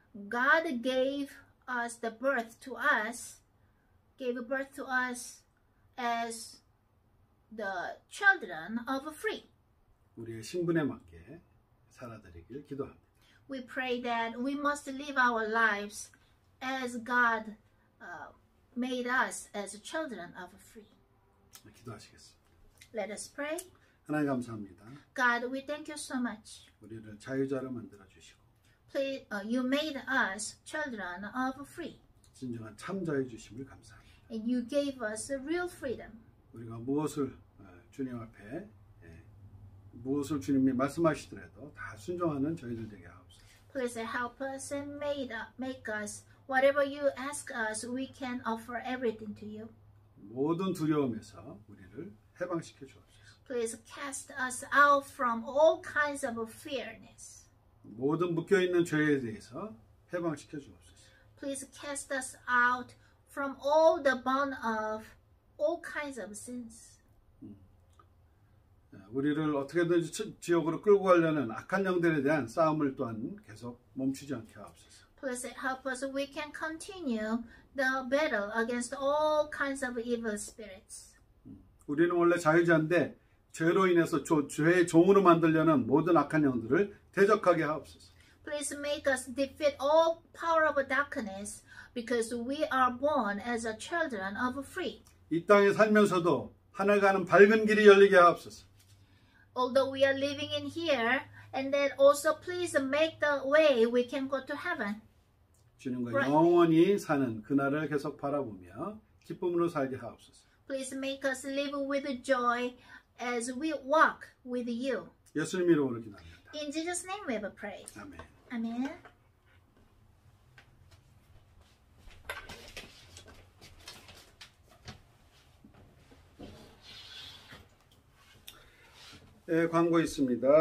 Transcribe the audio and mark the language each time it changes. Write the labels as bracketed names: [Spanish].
[English] God gave us the birth to us, gave birth to us as the children of free. [Korean] 우리의 신분에 맞게 살아들이길 기도합니다. [English] We pray that we must live our lives as God made us as children of free. [Korean] 기도하시겠습니다. [English] Let us pray. [Korean] 하나님 감사합니다. [English] God, we thank you so much. [Korean] 우리를 자유자로 만들어 주시고. [English] Please, you made us children of free. [Korean] 진정한 참 자유 주심을 감사합니다. [English] And you gave us a real freedom. [Korean] 우리가 무엇을 주님 앞에 무엇을 주님이 말씀하시더라도 다 순종하는 저희들 되게 하옵소서. [English] Please help us and make us whatever you ask us, we can offer everything to you. [Korean] 모든 두려움에서 우리를 해방시켜 주옵소서. [English] Please cast us out from all kinds of fearness. [Korean] 모든 묶여있는 죄에 대해서 해방시켜 주옵소서. [English] Please cast us out from all the bond of all kinds of sins. [Korean] 우리를 어떻게든지 지옥으로 끌고 가려는 악한 영들에 대한 싸움을 또한 계속 멈추지 않게 하옵소서. [English] Please help us we can continue the battle against all kinds of evil spirits. [Korean] 우리는 원래 자유자인데 죄로 인해서 죄의 종으로 만들려는 모든 악한 영들을 대적하게 하옵소서. [English] Please make us defeat all power of darkness because we are born as a children of free. [Korean] 이 땅에 살면서도 하늘 가는 밝은 길이 열리게 하옵소서. [English] Although we are living in here and then also please make the way we can go to heaven. [Korean] 주님과 right. 영원히 사는 그날을 계속 바라보며 기쁨으로 살게 하옵소서. [English] Please make us live with joy as we walk with you. [Korean] 예수님 이름으로 기도합니다. [English] In Jesus' name we have a prayer. Amen. Amen. [Korean] Yeah, 광고 있습니다.